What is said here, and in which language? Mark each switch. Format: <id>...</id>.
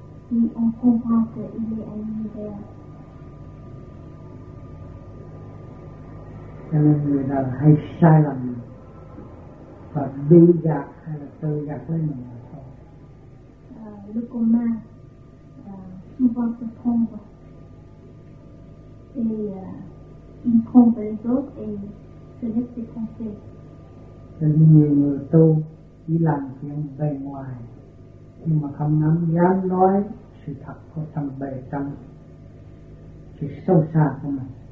<fr>Si on comprend qu'il est un univers.</fr> <vi>Cho nên người ta hay sai lầm và bi gạt hay là tự gạt lấy mình mà thôi.</vi> <fr>Le commun souvent se trompe et il trompe les autres et se laisse tromper.</fr> <vi>Cho nên nhiều người tu chỉ làm chuyện bề ngoài nhưng mà không nắm dám nói sự thật của tâm bề trong, sự sâu xa của mình.</vi>